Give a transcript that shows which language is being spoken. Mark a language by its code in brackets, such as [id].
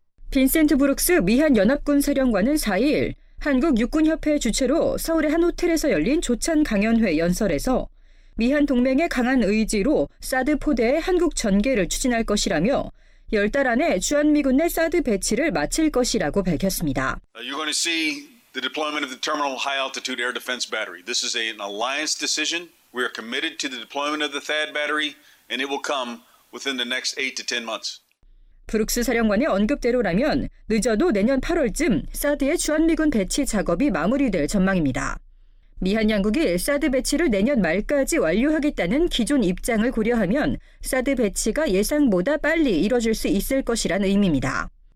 [ko] 빈센트 브룩스 미한 연합군 사령관은 4일 한국 육군협회 주최로 서울의 한 호텔에서 열린 조찬 강연회 연설에서 미한 동맹의 강한 의지로 사드 포대의 한국 전개를 추진할 것이라며 10달 안에 주한미군 내 사드 배치를 마칠 것이라고 밝혔습니다. [en] You're going to see the deployment of the terminal high altitude air defense battery. This is an alliance decision. We are committed to the deployment of the THAAD battery and it will come within the next 8 to 10 months. [ko] 브룩스 사령관의 언급대로라면 늦어도 내년 8월쯤 사드의 주한미군 배치 작업이 마무리될 전망입니다. 미한 양국이 사드 배치를 내년 말까지 완료하겠다는 기존 입장을 고려하면 사드 배치가 예상보다 빨리 이뤄질 수 있을 것이란 의미입니다.